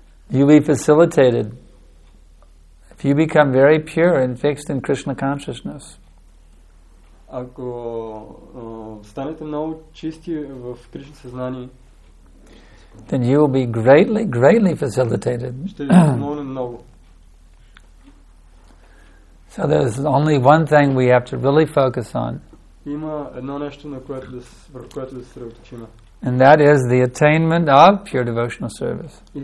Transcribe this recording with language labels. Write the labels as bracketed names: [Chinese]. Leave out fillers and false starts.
[English] You will be facilitated if you become very pure and fixed in Krishna consciousness. [Bulgarian] Ако станете много чисти в Кришна съзнание, [English] then you will be greatly, greatly facilitated. So there's only one thing we have to really focus on. And that is the attainment of pure devotional service.